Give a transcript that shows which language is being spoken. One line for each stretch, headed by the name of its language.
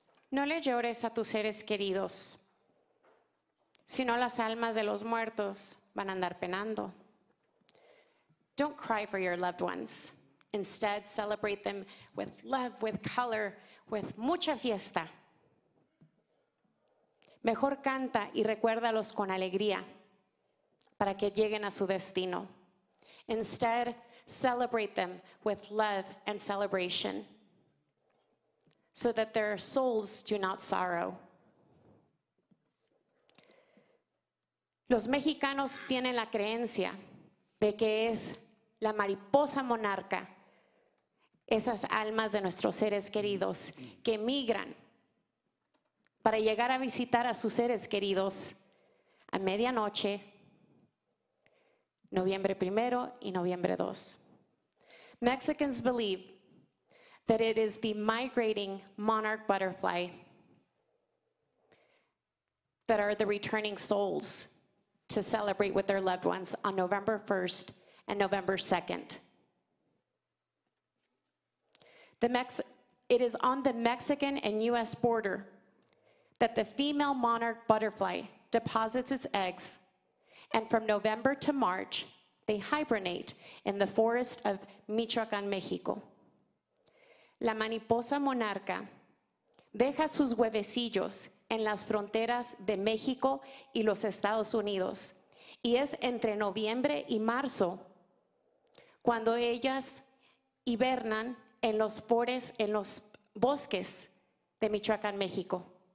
Spanish: No le llores a tus seres queridos, sino las almas de los muertos van a andar penando.
English: Don't cry for your loved ones. Instead, celebrate them with love, with color, with
Spanish: mucha fiesta. Mejor canta y recuérdalos con alegría para que lleguen a su destino.
English: Instead, celebrate them with love and celebration so that their souls do not sorrow.
Spanish: Los mexicanos tienen la creencia de que es la mariposa monarca, esas almas de nuestros seres queridos que migran para llegar a visitar a sus seres queridos a medianoche, noviembre primero y noviembre dos.
English: Mexicans believe that it is the migrating monarch butterfly that are the returning souls to celebrate with their loved ones on November 1st and November 2nd. It is on the Mexican and U.S. border that the female monarch butterfly deposits its eggs, and from November to March, they hibernate in the forest of Michoacán, Mexico.
Spanish: La mariposa monarca deja sus huevecillos en las fronteras de México y los Estados Unidos, y es entre noviembre y marzo cuando ellas hibernan en los bosques de Michoacán, México.